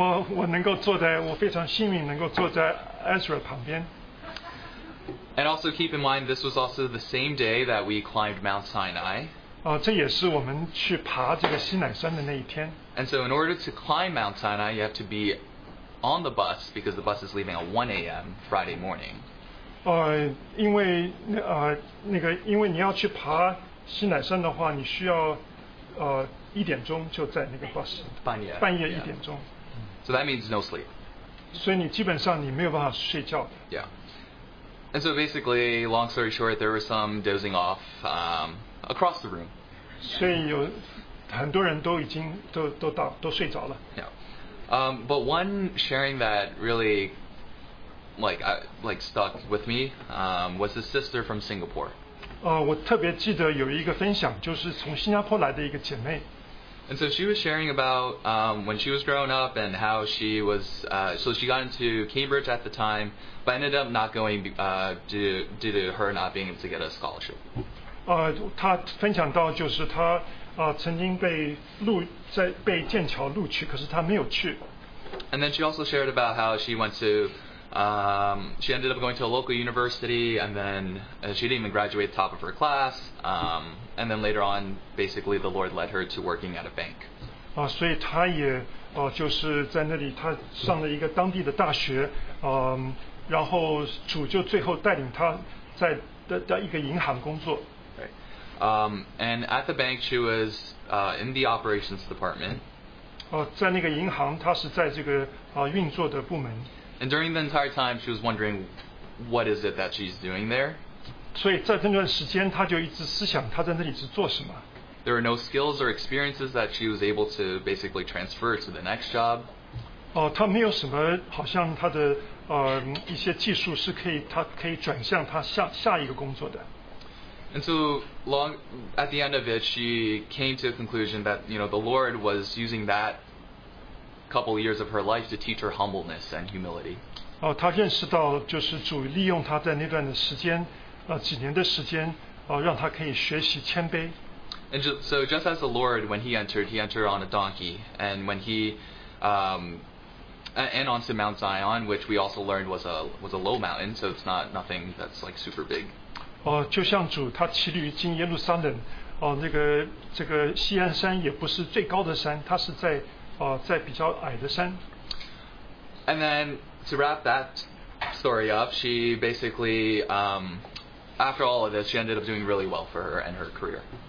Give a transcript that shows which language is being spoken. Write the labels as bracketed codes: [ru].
[zh] 我能够坐在，我非常幸运能够坐在 Ezra 旁边。 [en] And also keep in mind, this was also the same day that we climbed Mount Sinai. [zh] 这也是我们去爬这个西乃山的那一天。 [en] And so in order to climb Mount Sinai, you have to be on the bus because the bus is leaving at 1 a.m. Friday morning. [zh] 因为你要去爬西乃山的话，你需要一点钟就在那个 bus 半夜一点钟。 [en] Yeah. So that means no sleep. [zh] 所以你基本上你没有办法睡觉。 [en] Yeah. And so basically, long story short, there was some dozing off across the room. [zh] 所以有很多人都已经都睡着了。 [en] Yeah. But one sharing that really. Like stuck with me was his sister from Singapore. [zh] 我特别记得有一个分享，就是从新加坡来的一个姐妹。 [en] And so she was sharing about when she was growing up and how she was. So she got into Cambridge at the time, but ended up not going due to her not being able to get a scholarship. [zh] 她分享到就是她曾经被剑桥录取，可是她没有去。 [en] And then she also shared about how she went to. She ended up going to a local university, and then she didn't even graduate top of her class. And then later on, basically, the Lord led her to working at a bank. [zh] 所以她也就是在那里，她上了一个当地的大学，然后主就最后带领她在的一个银行工作。 [en] And at the bank, she was in the operations department. [zh] 在那个银行，她是在这个运作的部门。 [en] And during the entire time, she was wondering, what is it that she's doing there? [zh] 所以在这段时间，她就一直思想她在那里是做什么。 [en] There were no skills or experiences that she was able to basically transfer to the next job. [zh] 她没有什么好像她的一些技术是可以她可以转向她下一个工作的。 [en] And so long at the end of it, she came to a conclusion that you know the Lord was using that. Couple years of her life to teach her humbleness and humility. [zh] 她认识到就是主利用她在那段的时间，几年的时间，让她可以学习谦卑。 [en] And so just as the Lord, when he entered on a donkey, and when he, and onto Mount Zion, which we also learned was a low mountain, so it's not nothing that's like super big. [zh] 就像主他骑驴进耶路撒冷，那个这个锡安山也不是最高的山，他是在。在比较矮的山。 [en] And then to wrap that story up, she basically after all of this, she ended up doing really well for her and her career.